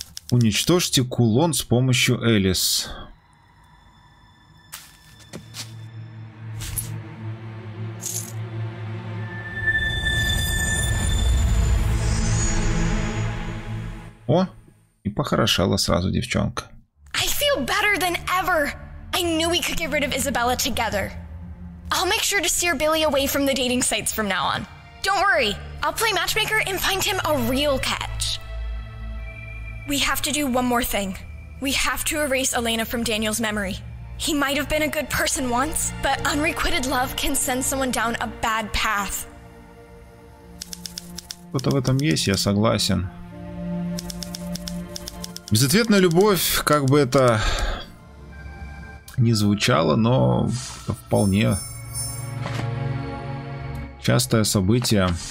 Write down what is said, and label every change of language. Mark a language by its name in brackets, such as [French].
[Russian] Уничтожьте кулон с помощью Элис. О, и похорошела сразу девчонка. [English] Better than ever. I knew we could get rid of Isabella together. I'll make sure to steer Billy away from the dating sites from now on. Don't worry, I'll play matchmaker and find him a real catch. We have to do one more thing. We have to erase Elena from Daniel's memory. He might have been a good person once, but unrequited love can send someone down a bad path. [Russian] Что-то в этом есть, я согласен. Безответная любовь, как бы это ни звучало, но вполне частое событие.